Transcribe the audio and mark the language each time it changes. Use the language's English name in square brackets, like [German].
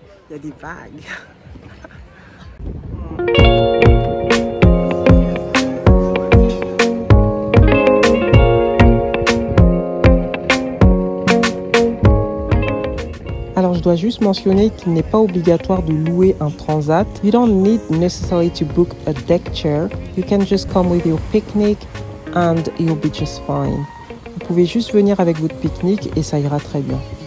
[French] Il y a des vagues. Alors je dois juste mentionner qu'il n'est pas obligatoire de louer un transat. [English] You don't need necessarily to book a deck chair. You can just come with your picnic and you'll be just fine. [French] Vous pouvez juste venir avec votre pique-nique et ça ira très bien.